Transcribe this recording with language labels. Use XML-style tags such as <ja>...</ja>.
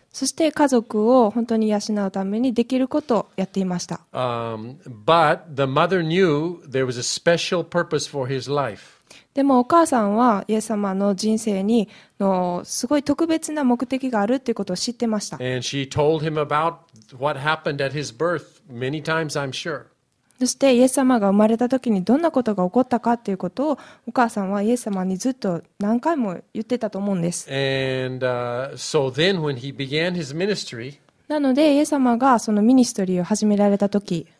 <ja>そして家族を本当に養うためにできることをやっていました。</ja> <en>But the mother knew there was a special purpose for his life.</en> <ja>でもお母さんはイエス様の人生にのすごい特別な目的があるということを知ってました。</ja> <en>And she told him about what happened at his birth many times, I'm sure.</en> <ja>そしてイエス様が生まれた時にどんなことが起こったかということをお母さんはイエス様にずっと何回も言ってたと思うんです。</ja> <en>And, so、then when he began his ministry,</en> <ja>なのでイエス様がそのミニストリーを始められた時、</ja>